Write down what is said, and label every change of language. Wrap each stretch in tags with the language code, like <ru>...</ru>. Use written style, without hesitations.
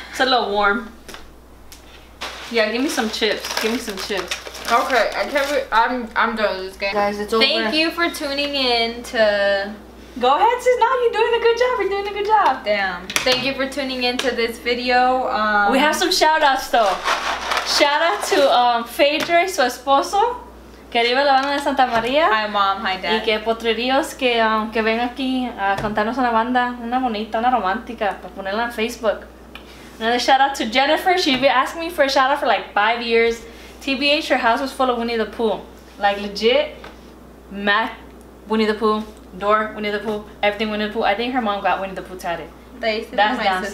<en>It's a little warm. Yeah, give me some chips. Give me some chips. Okay, I'm done with this game. Guys, it's over. Thank you for tuning in to... Go ahead, sis. Now you're doing a good job. You're doing a good job. Damn. Thank you for tuning in to this video. We have some shout-outs though. Shout-out to Phaedra,</en> <es>su esposo. Que arriba la banda de Santa María.</es> <en>Hi mom, hi dad.</en> <es>Y que potreríos que ven aquí a contarnos una banda, una bonita, una romántica, para ponerla en Facebook.</es> <en>Another shout out to Jennifer. She's been asking me for a shout out for like 5 years. TBH, her house was full of Winnie the Pooh. Like legit, Mac, Winnie the Pooh, door, Winnie the Pooh, everything Winnie the Pooh. I think her mom got Winnie the Pooh tatted. That used to be my dances.</en>